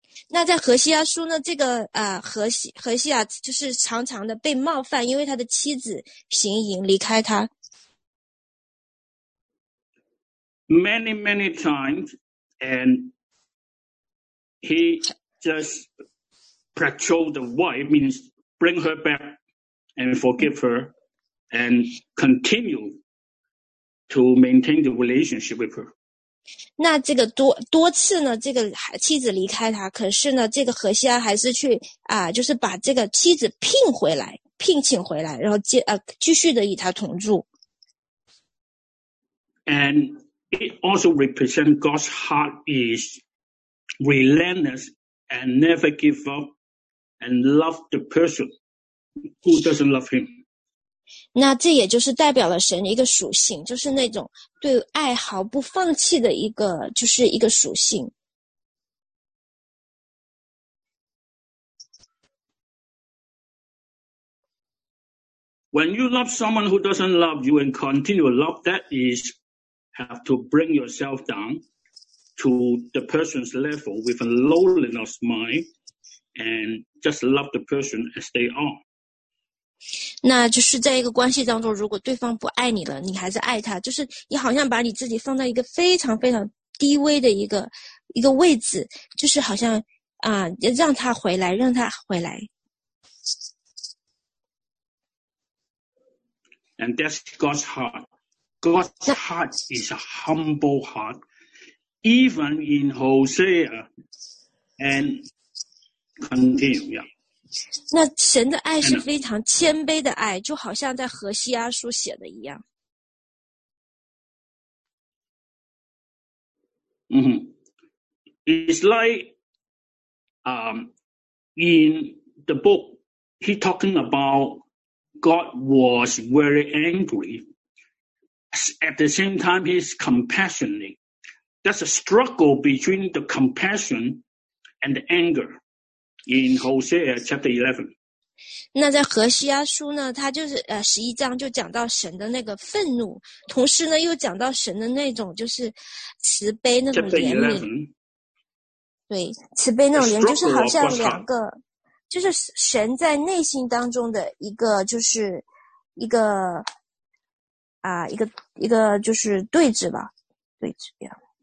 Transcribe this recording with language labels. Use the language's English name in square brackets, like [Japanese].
[Chinese] 那在何西阿书呢，这个何西阿就是常常的被冒犯，因为他的妻子行淫离开他。 [English] Many, many times, and he just patrol the wife means bring her back and forgive her and continue to maintain the relationship with her. [Chinese] 那这个多次呢，这个妻子离开他，可是呢，这个何西阿还是去就是把这个妻子聘请回来，然后继续的与他同住。 [English] And it also represents God's heart is relentless and never give up. And love the person who doesn't love him. [Chinese] 那这也就是代表了神的一个属性，就是那种对爱毫不放弃的一个，就是一个属性。 [English] When you love someone who doesn't love you and continue to love, that is have to bring yourself down to the person's level with a lowliness mind. And just love the person as they are. [Chinese] 那就是在一个关系当中，如果对方不爱你了，你还是爱他，就是你好像把你自己放到一个非常非常低微的一个位置，就是好像让他回来。 [English] And that's God's heart. God's heart is a humble heart, even in Hosea, and. Continue, yeah. [Chinese] 那神的爱是非常谦卑的爱，就好像在何西阿书写的一样。 Mm-hmm. [English] It's like in the book, he talking about God was very angry at the same time, he's compassionate. That's a struggle between the compassion and the anger in Hosea chapter 11. [Chinese] 那在何西阿书呢，他就是十一章就讲到神的那个愤怒，同时呢又讲到神的那种就是慈悲那种怜悯。对，慈悲那种怜悯就是好像两个，就是神在内心当中的一个就是一个啊一个就是对峙吧，对峙呀，